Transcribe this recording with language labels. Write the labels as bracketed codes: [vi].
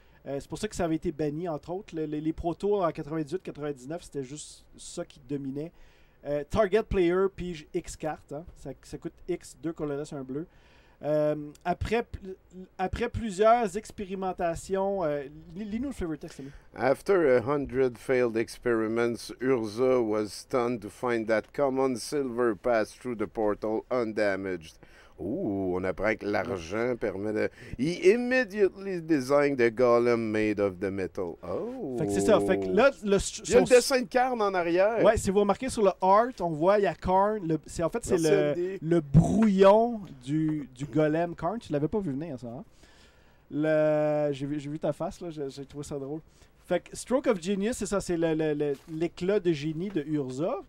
[fr] C'est pour ça que ça avait été banni, entre autres. Les Pro Tours en 98-99, c'était juste ça qui dominait. Target Player, pige X cartes. Hein. Ça coûte X, deux colorless, un bleu. Après plusieurs expérimentations, lis-nous le flavor text. [en] After 100 failed experiments, Urza was stunned to find that common silver passed through the portal undamaged. [fr] Ooh, on apprend que l'argent permet de. [en] He immediately designed a golem made of the metal. Oh. [fr] Fait que c'est ça. Fait que là, il y a le dessin de Karn en arrière. Ouais, si vous remarquez sur le art, on voit il y a Karn. C'est le brouillon du golem Karn. Tu l'avais pas vu venir ça. Hein? J'ai vu ta face là. J'ai trouvé ça drôle. Fait que Stroke of Genius, c'est ça, c'est l'éclat de génie de Urza.